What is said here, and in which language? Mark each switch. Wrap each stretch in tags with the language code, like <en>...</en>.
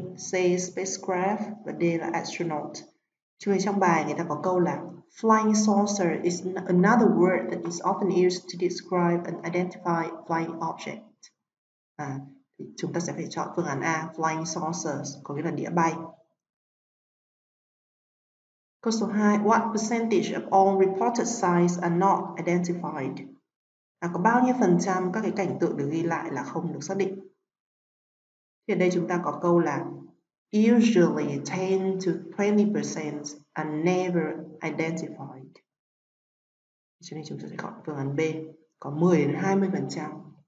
<en>C, spacecraft.</en> <vi>Và D là astronaut. Chú ý trong bài người ta có câu là</vi> <en>flying saucer is another word that is often used to describe an identified flying object.</en> <vi>Thì chúng ta sẽ phải chọn phương án A, flying saucers, có nghĩa là đĩa bay. Câu số 2,</vi> <en>what percentage of all reported sites are not identified?</en> <vi>Có bao nhiêu phần trăm các cái cảnh tượng được ghi lại là không được xác định? Thì ở đây chúng ta có câu là</vi> <en>usually 10 to 20% are never identified.</en> <vi>Cho nên chúng ta sẽ chọn phương án B, có 10 đến 20%.</vi>